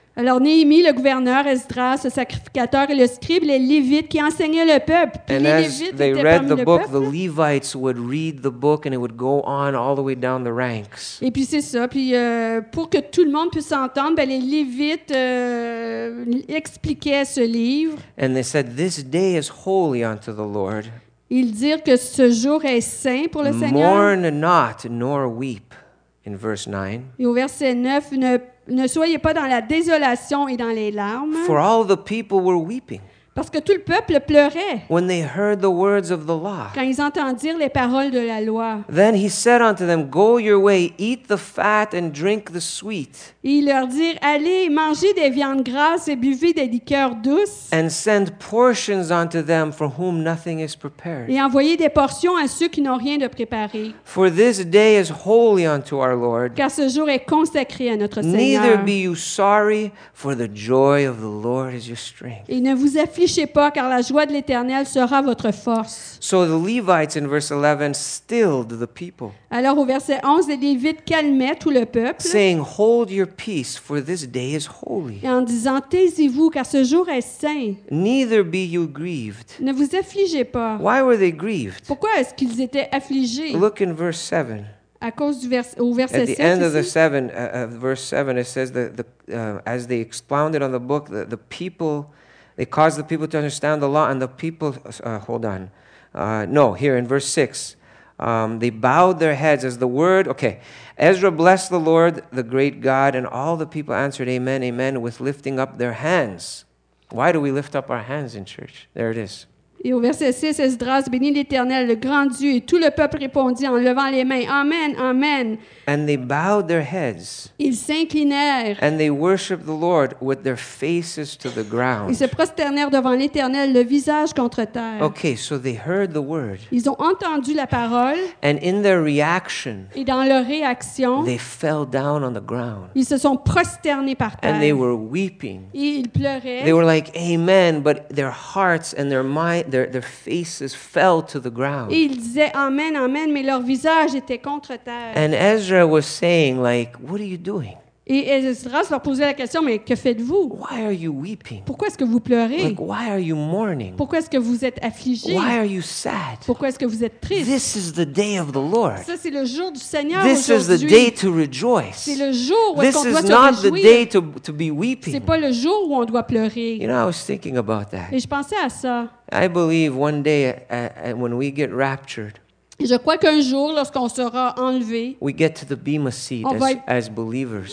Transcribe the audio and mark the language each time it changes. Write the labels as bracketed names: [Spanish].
[French] Alors Néhémie, le gouverneur, Esdras, le sacrificateur et le scribe, les Lévites qui enseignaient le peuple. Puis [English] and [French] les Lévites étaient parmi le [English] book, [French] peuple. [English] The Levites would read the book and it would go on all the way down the ranks. [French] Et puis c'est ça. Puis pour que tout le monde puisse entendre, ben, les Lévites expliquaient ce livre. [English] And they said, "This day is holy unto the Lord." [French] Ils dirent que ce jour est saint pour le [English] Mourn [French] Seigneur. [English] Mourn not, nor weep. In verse 9. [French] Et au verset 9, ne soyez pas dans la désolation et dans les larmes. [English] For all the people were weeping. [French] Parce que tout le peuple pleurait. [English] When they heard the words of the law. [French] Quand ils entendirent les paroles de la loi. [English] Then he said unto them, "Go your way, eat the fat and drink the sweet." [French] Et ils leur dirent, allez, mangez des viandes grasses et buvez des liqueurs douces. [English] And send portions unto them for whom nothing is prepared. [French] Et envoyez des portions à ceux qui n'ont rien de préparé. [English] For this day is holy unto our Lord. [French] Car ce jour est consacré à notre Seigneur. [English] Neither be you sorry, for the joy of the Lord is your strength. [French] Et ne vous affligez pas, car la joie de l'Éternel sera votre force. [English] So the Levites in verse 11 stilled the people. [French] Alors au verset 11, les Lévites calmaient tout le peuple. [English] Saying, "Hold your peace, for this day is holy." [French] Et en disant, taisez-vous, car ce jour est saint. [English] Neither be you grieved. [French] Ne vous affligez pas. [English] Why were they grieved? [French] Pourquoi est-ce qu'ils étaient affligés? [English] Look in verse 7. [French] À cause du verset 7 ici. [English] At the end of the seven, verse 7, it says that as they expounded on the book, the people... They caused the people to understand the law and the people... here in verse 6. They bowed their heads as the word... Okay. Ezra blessed the Lord, the great God, and all the people answered, "Amen, amen," with lifting up their hands. Why do we lift up our hands in church? There it is. [French] Et au verset 6, Esdras bénit l'Éternel, le grand Dieu, et tout le peuple répondit en levant les mains, "Amen, amen." [English] And they bowed their heads. [French] Ils s'inclinèrent. [English] And they worshiped the Lord with their faces to the ground. [French] Ils se prosternèrent devant l'Éternel, le visage contre terre. [English] Okay, so they heard the word. [French] Ils ont entendu la parole. [English] And in their reaction, [French] et dans leur réaction, [English] they fell down on the ground. [French] Ils se sont prosternés par terre. [English] And they were weeping. [French] Et ils pleuraient. [English] They were like, "Amen," but their hearts and their minds, Their faces fell to the ground. [French] Et ils disaient amen, amen, mais leur visage était contre terre. [English] And Ezra was saying, like, "What are you doing?" [French] Et Esdras leur posait la question, mais que faites-vous? [English] Why are you weeping? [French] Pourquoi est-ce que vous pleurez? [English] Like, why are you mourning? [French] Pourquoi est-ce que vous êtes affligés? [English] Why are you sad? [French] Pourquoi est-ce que vous êtes tristes? [English] This is the day of the Lord. [French] Ça, c'est le jour du Seigneur [English] this [French] aujourd'hui. [English] Is the day to rejoice. [French] C'est le jour où [English] this [French] est-ce qu'on [English] is [French] doit [English] not [French] se réjouir. [English] The day to be weeping. [French] C'est pas le jour où on doit pleurer. [English] You know, I was thinking about that. [French] Et je pensais à ça. [English] I believe one day when we get raptured, [French] je crois qu'un jour, lorsqu'on sera enlevé, [English] we get to the bema seat as believers.